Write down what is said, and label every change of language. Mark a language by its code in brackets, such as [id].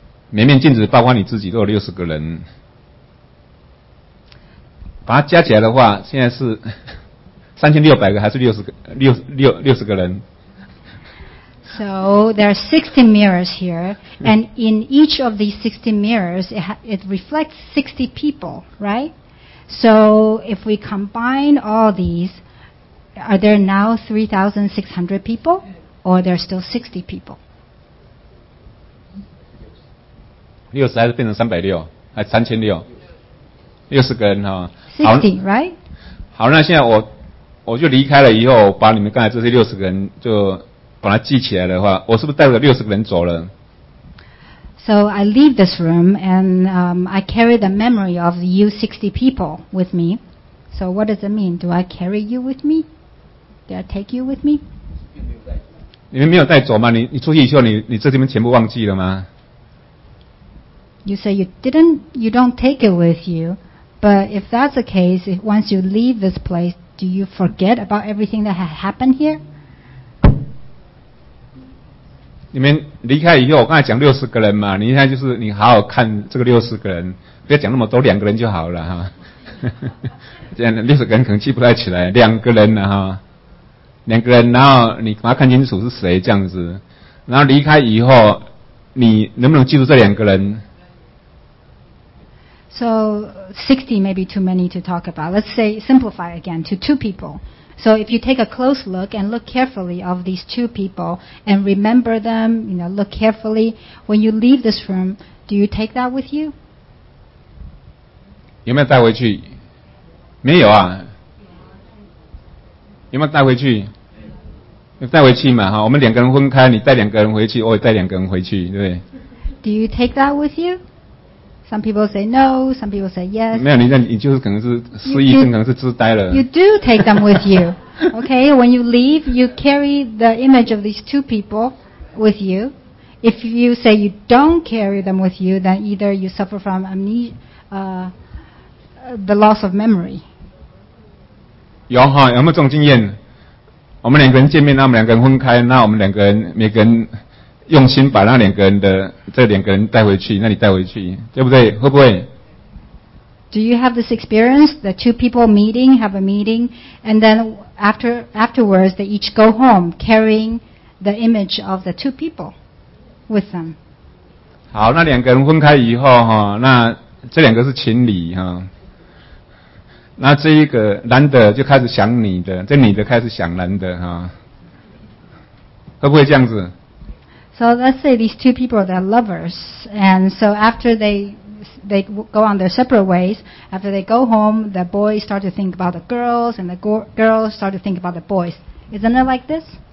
[zh] 每面镜子包括你自己都有六十个人，把它加起来的话，现在是3600个还是六十个人 [en] ？So there are 60 mirrors here, and in each of these 60 mirrors, it reflects 60 people, right? So if we combine all these. Are there now 3,600 people, or there are still 60 people? [zh] 60还是变成360，还3600，60个人哈。 [en] 60, right? [zh] 好，那现在我就离开了以后，把你们刚才这些六十个人就把它记起来的话，我是不是带了60个人走了？ [en] So I leave this room and I carry the memory of you 60 people with me. So what does it mean? Do I carry you with me? Did I take you with me? [zh] 你们没有带走吗？你出去以后，你这地方全部忘记了吗 [en] ？You say you don't take it with you, but if that's the case, if once you leave this place, do you forget about everything that had happened here? [zh] 你们离开以后，我刚才讲六十个人嘛，你现在就是你好好看这个六十个人，不要讲那么多，两个人就好了哈。这样六十个人可能记不太起来，两个人了哈。两个人，然后你把他看清楚是谁这样子，然后离开以后，你能不能记住这两个人 [en] ？So 60 may be too many to talk about. Let's say simplify again to two people. So if you take a close look and look carefully of these two people and remember them, you know, look carefully when you leave this room, do you take that with you? [zh] 有没有带回去？没有啊。有没有带回去？有带回去嘛？哈，我们两个人分开，你带两个人回去，我也带两个人回去，对不对 [en] ？Do you take that with you? Some people say no. Some people say yes. [zh] 没有，你就是可能是失忆症，可能是痴呆了。 [en] You do take them with you. Okay, when you leave, you carry the image of these two people with you. If you say you don't carry them with you, then either you suffer from the loss of memory. [zh] 有哈，有没有这种经验？我们两个人见面，那我们两个人分开，那我们两个人每个人用心把那两个人的这两个人带回去，那你带回去，对不对？会不会 [en] ？Do you have this experience? The two people meeting have a meeting, and then afterwards they each go home carrying the image of the two people with them. [zh] 好，那两个人分开以后哈，那这两个是情侣哈。那这一个男的就开始想女的，这女的开始想男的哈，会不会这样子 [en] ？So let's say these two people are lovers, and so after they go on their separate ways, after they go home, the boys start to think about the girls, and the girls start to think about the boys. Isn't it like this?